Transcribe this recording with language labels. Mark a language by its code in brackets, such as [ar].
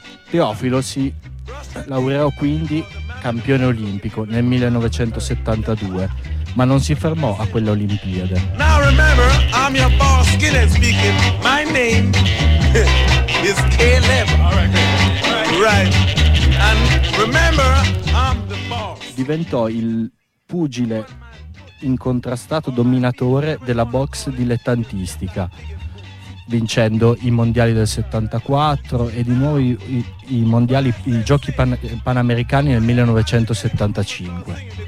[it] Teofilo si laureò quindi campione olimpico nel 1972, ma non si fermò a quelle Olimpiade. [en] Now remember, I'm your boss, Skinner speaking. My name is Caleb. Right. And remember, I'm the boss. [it] Diventò il pugile incontrastato dominatore della box dilettantistica, vincendo i mondiali del 74 e di nuovo i giochi panamericani nel 1975.